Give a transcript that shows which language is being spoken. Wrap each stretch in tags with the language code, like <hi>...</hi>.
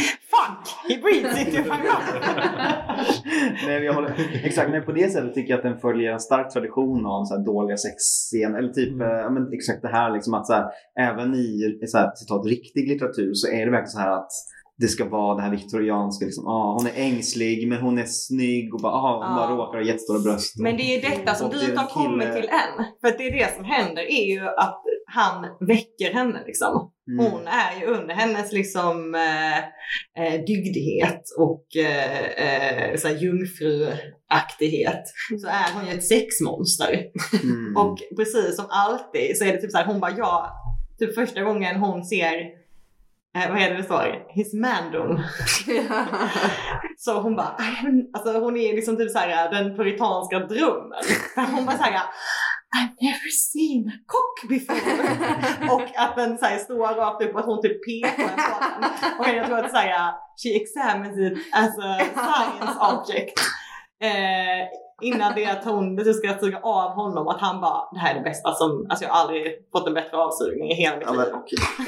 <en>Fuck, he breathes into my mouth.</en> <sv>Nej, jag håller, exakt, men på det sättet tycker jag att den följer en stark tradition av så här dåliga sexscener, eller typ men exakt det här liksom, att så här, även i så här, citat, riktig litteratur, så är det verkligen så här att det ska vara det här viktorianska liksom, hon är ängslig men hon är snygg och bara hon bara råkar ha jättestora bröst. Men det är detta som du inte har kommit till än, för att det är det som händer, är ju att han väcker henne liksom. Hon är ju under hennes liksom dygdighet och så här jungfruaktighet, så är hon ju ett sexmonster. Och precis som alltid så är det typ så här, hon bara, ja, typ första gången hon ser vad heter det, sorry,</sv> <en>his mandom.</en> <sv>Så hon bara, alltså hon är liksom typ så här den puritanska drömmen. Hon bara säger,</sv> <en>I've never seen a cock before.</en> <sv>Och att den så här står rakt upp och hon typ pekar på den. Och jag tror att säga,</sv> <en>she examines it as a science object.</en> <sv>Innan det att hon ska suga av honom, att han bara, det här är det bästa som, alltså jag har aldrig fått en bättre avsugning i hela mitt liv.</sv>